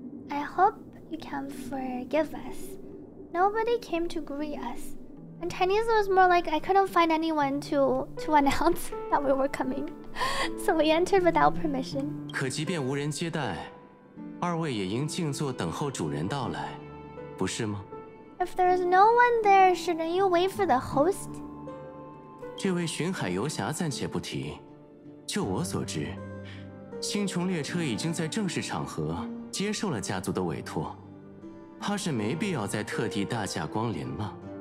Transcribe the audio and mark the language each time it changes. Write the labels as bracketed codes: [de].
[en] I hopeYou can forgive us. Nobody came to greet us. In Chinese, it was more like I couldn't find anyone to announce that we were coming. So we entered without permission. [zh] 可即便无人接待，二位也应静坐等候主人到来，不是吗？ [en] If there is no one there, shouldn't you wait for the host? [zh] 这位巡海游侠暂且不提。就我所知，星穹列车已经在正式场合接受了家族的委托，怕是没必要再特地大驾光临了。